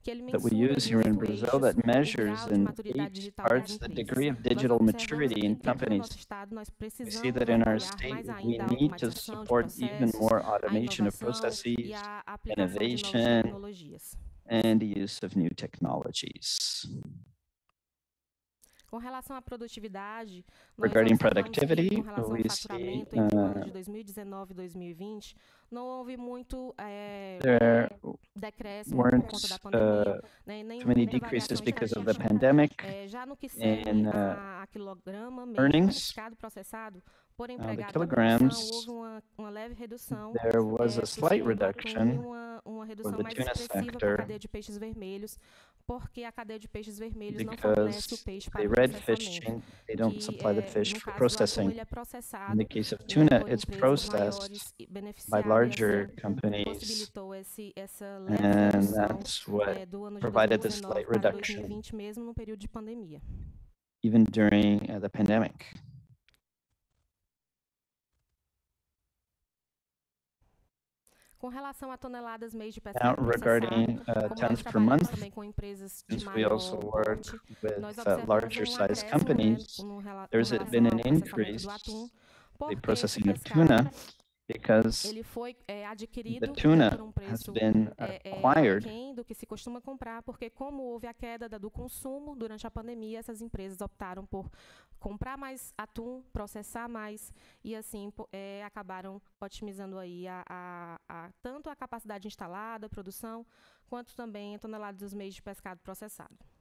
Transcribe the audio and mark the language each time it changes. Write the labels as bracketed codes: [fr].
[en] that we use here in Brazil that measures in 8 parts the degree of digital maturity in companies. We see that in our state we need to support even more automation of processes, innovation, and the use of new technologies. [pt] Com relação à produtividade, [en] regarding productivity, [pt] com relação ao faturamento entre 2019 e 2020, não houve muito decréscimo por conta da pandemia, nem [en] many decreases because of the pandemic. [pt] Já no que se refere a quilograma mercado processado por empregado, [en] kilograms, [pt] houve uma leve redução. [en] There was a slight reduction [pt] uma redução mais expressiva na cadeia de peixes vermelhos. Porque a cadeia de peixes vermelhos [en] because [pt] não fornece o peixe para [en] the red fish chain, they don't supply the fish for processing. É in the case of tuna, it's processed by larger companies, and that's what provided this slight reduction, [pt] mesmo no período de pandemia. [en] Even during the pandemic. [pt] Com relação a toneladas mês de pesca, [en] regarding tons per month, since we also work with larger size companies, there's been an increase in the processing of tuna because [pt] ele foi, [en] the tuna has been acquired. [pt] Do que se costuma comprar, porque como houve a queda do consumo durante a pandemia, essas empresas optaram por comprar mais atum, processar mais, e assim acabaram otimizando aí tanto a capacidade instalada, a produção, quanto também a tonelada dos meios de pescado processado.